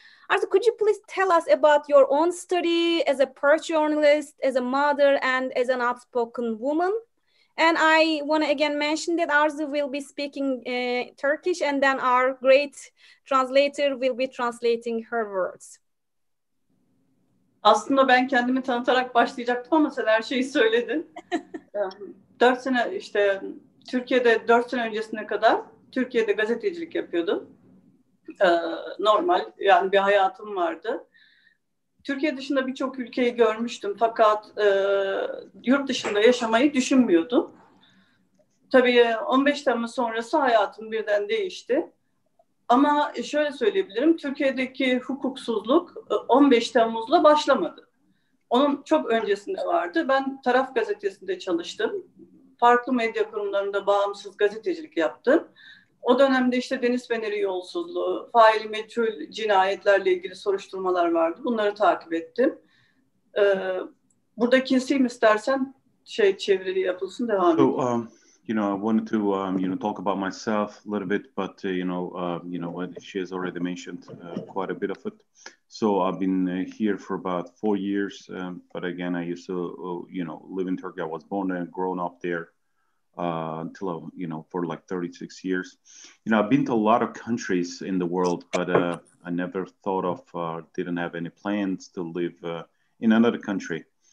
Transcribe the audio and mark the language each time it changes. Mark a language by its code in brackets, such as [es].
[en] Arzu, could you please tell us about your own study as a Perth journalist, as a mother and as an outspoken woman? And I want to again mention that Arzu will be speaking Turkish and then our great translator will be translating her words. [tr] Aslında ben kendimi tanıtarak başlayacaktım ama sen her şeyi söyledin. 4 sene işte Türkiye'de 4 sene öncesine kadar Türkiye'de gazetecilik yapıyordum. Normal yani bir hayatım vardı. Türkiye dışında birçok ülkeyi görmüştüm fakat yurt dışında yaşamayı düşünmüyordum. Tabii 15 Temmuz sonrası hayatım birden değişti. Ama şöyle söyleyebilirim, Türkiye'deki hukuksuzluk 15 Temmuz'la başlamadı. Onun çok öncesinde vardı. Ben Taraf Gazetesi'nde çalıştım. Farklı medya kurumlarında bağımsız gazetecilik yaptım. O dönemde işte Deniz Fener'in yolsuzluğu, faili meçhul cinayetlerle ilgili soruşturmalar vardı. Bunları takip ettim. Burada keseyim istersen şey çeviri yapılsın devam edelim. [en] So I wanted to talk about myself a little bit, but what she has already mentioned quite a bit of it. So I've been here for about 4 years, but again I used to live in Turkey. I was born and grown up there. until, you know, for like 36 years. You know, I've been to a lot of countries in the world, but I never thought of, didn't have any plans to live in another country.